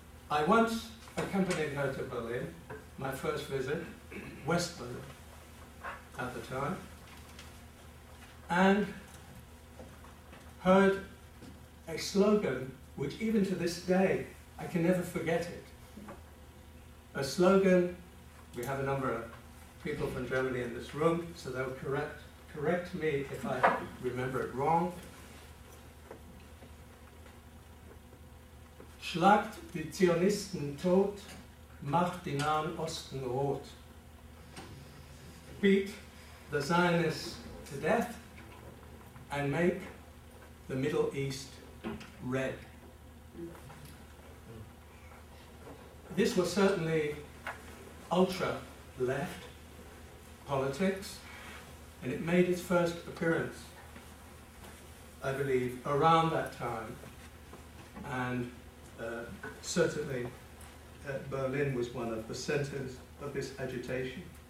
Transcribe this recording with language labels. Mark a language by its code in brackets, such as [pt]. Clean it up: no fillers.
[en] I once accompanied her to Berlin, my first visit, West Berlin at the time, and heard a slogan which even to this day I can never forget it. A slogan, we have a number of people from Germany in this room, so they'll correct me if I remember it wrong. [de] "Schlagt die Zionisten tot, macht den Nahen Osten rot." [en] Beat the Zionists to death and make the Middle East red. This was certainly ultra-left politics, and it made its first appearance, I believe, around that time, and certainly Berlin was one of the centers of this agitation.